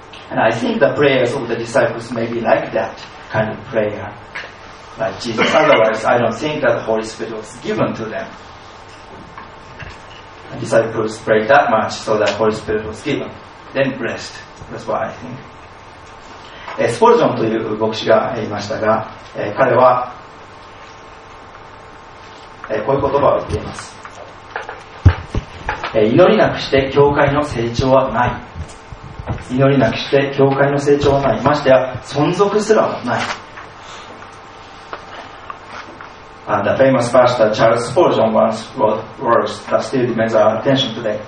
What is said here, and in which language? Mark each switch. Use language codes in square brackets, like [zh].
[en] And I think the prayers of the disciples may be like that kind of prayer, like Jesus. Otherwise, I don't think that the Holy Spirit was given to them. The disciples prayed that much so that the Holy Spirit was given, then blessed. That's what I think. [ja] スポルジョンという牧師がいましたが、彼はこういう言葉を言っています。祈りなくして教会の成長はない。祈りなくして教会の成長はない、ましてや存続すらもない。 [en] The famous pastor Charles Spurgeon once wrote words that still demands our attention today.